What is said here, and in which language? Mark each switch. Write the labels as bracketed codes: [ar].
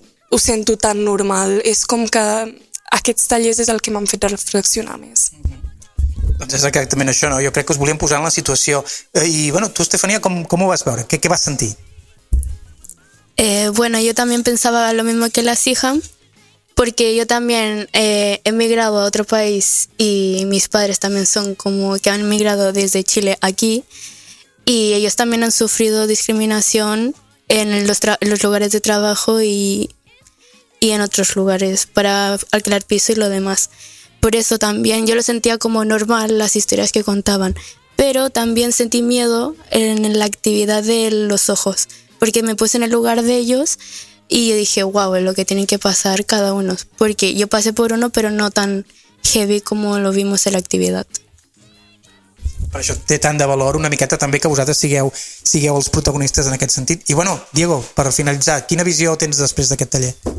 [ca] ho sento tan normal. És com que aquests tallers és el que m'han fet reflexionar més. Doncs és exactament això, no? Jo crec que us volíem posar en la situació. I bueno, tu, Estefania, com ho vas veure? Què vas sentir? [es] Bueno, yo también pensaba lo mismo que la Sija, porque yo también he emigrado a otro país y mis padres también son como que han emigrado desde Chile aquí y ellos también han sufrido discriminación en los lugares de trabajo y en otros lugares para alquilar piso y lo demás. Por eso también yo lo sentía como normal las historias que contaban, pero también sentí miedo en la actividad de los ojos, porque me puse en el lugar de ellos y yo dije, wow, es lo que tienen que pasar cada uno, porque yo pasé por uno, pero no tan heavy como lo vimos en la actividad. [ca] Per això té tant de valor una miqueta també que vosaltres sigueu els protagonistes en aquest sentit. I bueno, Diego, per finalitzar, quina visió tens després d'aquest taller?